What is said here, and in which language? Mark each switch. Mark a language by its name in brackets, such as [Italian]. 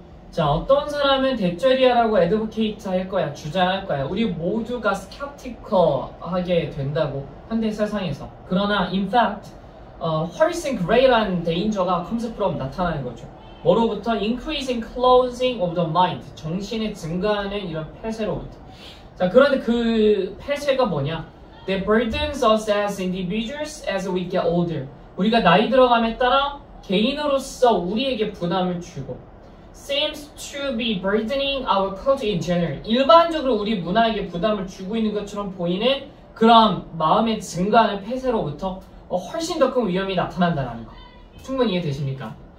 [Korean] 자, 어떤 사람은 대쩌리야라고 애드보케이트 할 거야, 주장할 거야. 우리 모두가 스캡티컬하게 된다고, 현대 세상에서. [English] 그러나 in fact, 훨씬 greater danger가 comes from [Korean] 나타나는 거죠. 뭐로부터? [English] increasing closing of the mind, [Korean] 정신의 증가하는 이런 폐쇄로부터. 자, 그런데 그 폐쇄가 뭐냐? [English] That burdens us as individuals as we get older. [Korean] 우리가 나이 들어감에 따라 개인으로서 우리에게 부담을 주고, [English] seems to be burdening our culture in general. [Korean] 일반적으로 우리 문화에게 부담을 주고 있는 것처럼 보이는 그런 마음의 증가하는 폐쇄로부터 훨씬 더 큰 위험이 나타난다는 거. 충분히 이해 되십니까?